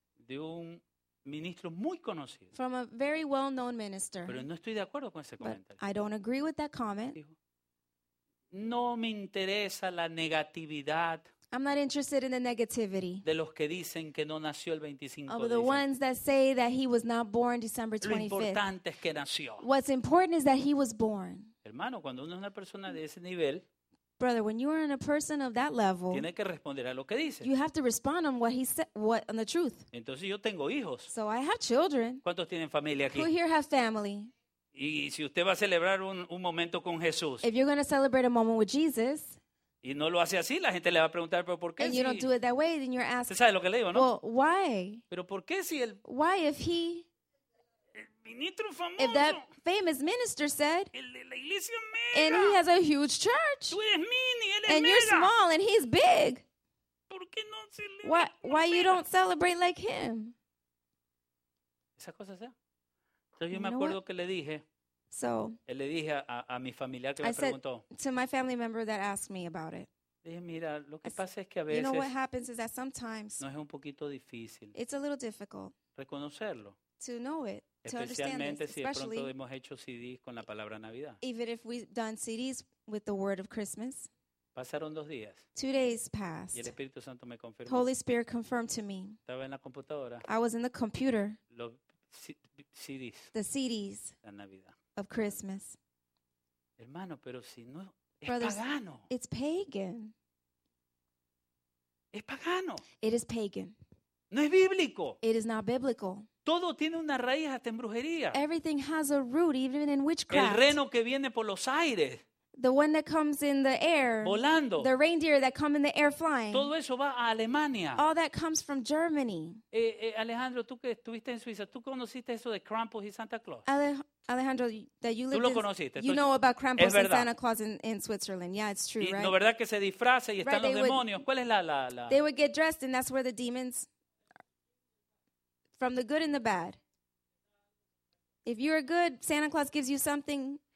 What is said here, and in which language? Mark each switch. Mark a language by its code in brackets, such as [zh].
[es] de un ministro muy conocido. [en] From a very well-known minister. [es] Pero no estoy de acuerdo con ese comentario. [en] I don't agree with that comment. [es] No me interesa la negatividad. [en] I'm not interested in the negativity. [es] De los que dicen que no nació el 25 de diciembre. [en] Of the ones that say that he was not born December 25th. [es] Lo importante es que nació. [en] What's important is that he was born. [es] Hermano, cuando uno es una persona de ese nivel, [en] brother, when you are in a person of that level, [es] tiene que responder a lo que dice. [en] You have to respond on what he said, what on the truth. [es] Entonces yo tengo hijos. [en] So I have children. [es] ¿Cuántos tienen familia aquí? [en] Who here have family? [es] Y si usted va a celebrar un momento con Jesús, [en] if you're going to celebrate a moment with Jesus, [es] y no lo hace así, la gente le va a preguntar, ¿pero por qué? [en] And you don't do it that way, then you're asked. [es] ¿Sabe lo que le digo, no? [en] Well, why? [es] ¿Pero por qué si él? [en] Why if he? [es] El ministro famoso. [en] If that famous minister said, and he has a huge church, [es] mini, [en] and you're [es] mega. [en] Small, and he's big. [es] ¿Por qué no [en] why you don't celebrate like him? [es] Esa cosa sea. Entonces yo me acuerdo que le dije. [en] So [es] le dije a mi familiar que [en] I [es] me [en] said [es] preguntó. [en] To my family member that asked me about it. [es] Dije, mira, lo que pasa es que a veces. [en] You know what happens is that sometimes. [es] No es un poquito difícil. [en] It's a little difficult. [es] Reconocerlo. [en] To know it. [es] Especialmente [en] to understand [es] si de pronto hemos hecho CDs con la palabra Navidad. [en] Even if we've done CDs with the word of Christmas. [es] Pasaron dos días. [en] Two days passed. [es] Y el Espíritu Santo me confirmó. [en] Holy Spirit confirmed to me. [es] Estaba en la computadora. [en] I was in the computer. [es] Los CDs. [en] The CDs. [es] La Navidad. [en] Of Christmas. [es] Hermano, pero si no es [en] brothers, [es] pagano. [en] It's pagan. [es] Es pagano. [en] It is pagan. [es] No es bíblico. [en] It is not biblical. [es] Todo tiene una raíz hasta en brujería. [en] Everything has a root, even in witchcraft. [es] El reno que viene por los aires. [en] The one that comes in the air. [es] Volando. [en] The reindeer that come in the air flying. [es] Todo eso va a Alemania. [en] All that comes from Germany. [es] Alejandro, tú que estuviste en Suiza, ¿tú conociste eso de Krampus y Santa Claus? [en] Alejandro, that you lived [es] tú lo conociste. [en] You know about Krampus and Santa Claus in Switzerland. Yeah, it's true, [es] y, [en] right? [es] No, ¿verdad que se disfraza y están [en] right, [es] los demonios? ¿Cuál es la? [en] They would get dressed and that's where the demons from the good and the bad. If you are good, Santa Claus gives you something.